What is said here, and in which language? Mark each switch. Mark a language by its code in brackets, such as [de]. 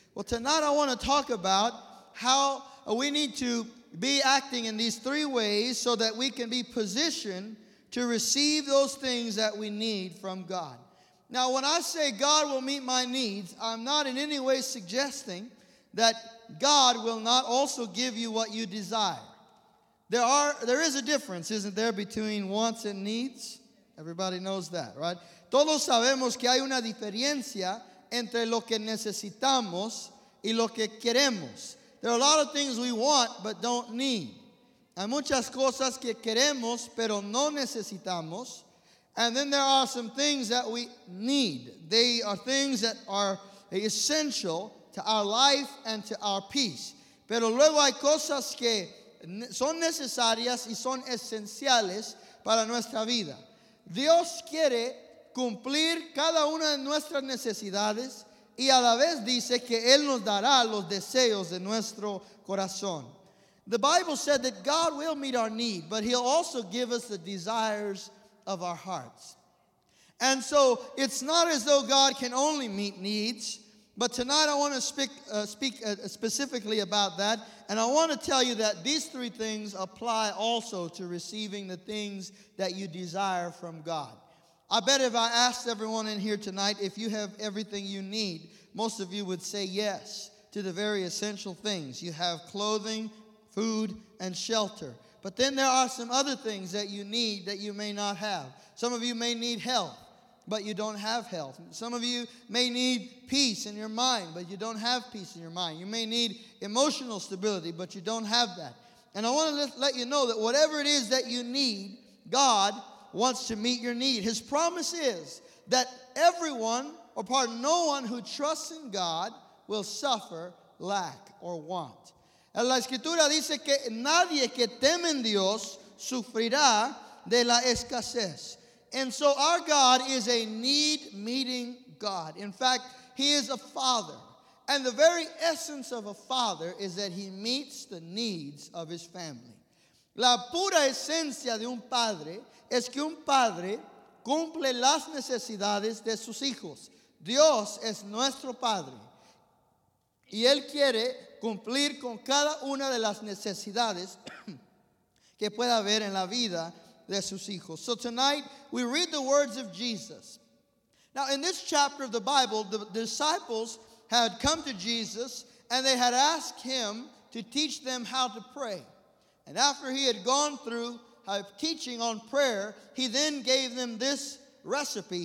[en] Well, tonight I want to talk about how we need to be acting in these three ways so that we can be positioned to receive those things that we need from God. Now, when I say God will meet my needs, I'm not in any way suggesting that God will not also give you what you desire. There is a difference, isn't there, between wants and needs? Everybody knows that, right? [es] Todos sabemos que hay una diferencia entre lo que necesitamos y lo que queremos. [en] There are a lot of things we want but don't need. [es] Hay muchas cosas que queremos pero no necesitamos. [en] And then there are some things that we need. They are things that are essential to our life and to our peace. [es] Pero luego hay cosas que son necesarias y son esenciales para nuestra vida. Dios quiere cumplir cada una de nuestras necesidades y a la vez dice que Él nos dará los deseos de nuestro corazón. [en] The Bible said that God will meet our need, but He'll also give us the desires of our hearts. And so it's not as though God can only meet needs, but tonight I want to speak specifically about that. And I want to tell you that these three things apply also to receiving the things that you desire from God. I bet if I asked everyone in here tonight if you have everything you need, most of you would say yes to the very essential things. You have clothing, food, and shelter. But then there are some other things that you need that you may not have. Some of you may need health, but you don't have health. Some of you may need peace in your mind, but you don't have peace in your mind. You may need emotional stability, but you don't have that. And I want to let you know that whatever it is that you need, God wants to meet your need. His promise is that no one who trusts in God will suffer lack or want. [es] La Escritura dice que nadie que teme en Dios sufrirá de la escasez. [en] And so our God is a need-meeting God. In fact, He is a father. And the very essence of a father is that He meets the needs of His family. [es] La pura esencia de un padre es que un padre cumple las necesidades de sus hijos. Dios es nuestro padre. Y Él quiere cumplir con cada una de las necesidades que pueda haber en la vida de sus hijos. [en] So tonight, we read the words of Jesus. Now, in this chapter of the Bible, the disciples had come to Jesus, and they had asked Him to teach them how to pray. And after He had gone through teaching on prayer, He then gave them this recipe.